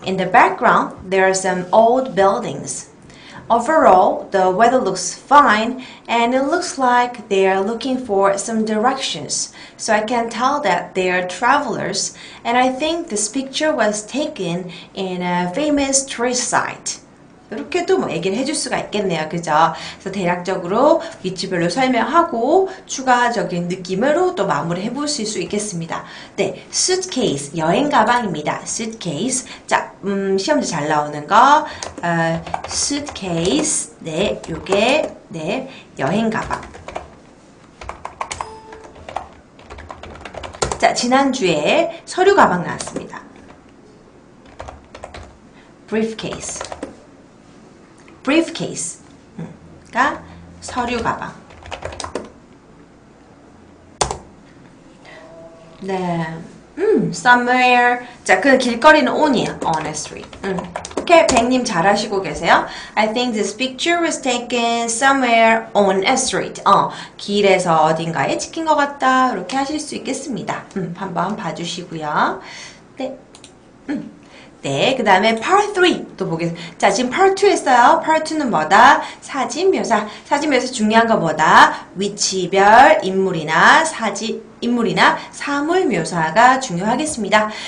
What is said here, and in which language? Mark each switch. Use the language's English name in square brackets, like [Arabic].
[English] In the background, there are some old buildings. Overall, the weather looks fine, and it looks like they are looking for some directions. So I can tell that they are travelers, and I think this picture was taken in a famous tourist site. [Korean] 이렇게도 뭐 얘기를 해줄 수가 있겠네요. 그죠? 그래서 대략적으로 위치별로 설명하고 추가적인 느낌으로 또 마무리해 보실 수 있겠습니다. 네, 수트케이스, 여행 가방입니다. 수트케이스. 자, 시험지 잘 나오는 거. 수트케이스. 네, 요게, 네, 여행 가방. 자, 지난주에 서류 가방 나왔습니다. 브리프케이스. 브리프케이스가 서류 가방. 네, somewhere. 자, 그 길거리는 on이에요, [English] on a street. [Korean] 오케이, 백님 잘하시고 계세요. [English] I think this picture was taken somewhere on a street. [Korean] 길에서 어딘가에 찍힌 것 같다. 이렇게 하실 수 있겠습니다. 한번 봐주시고요. 네. 네, 그 다음에 part 3또 보겠습니다. 자, 지금 part 2 했어요. part 2는 뭐다? 사진 묘사. 사진 묘사 중요한 거 뭐다? 위치별 인물이나 사진, 인물이나 사물 묘사가 중요하겠습니다.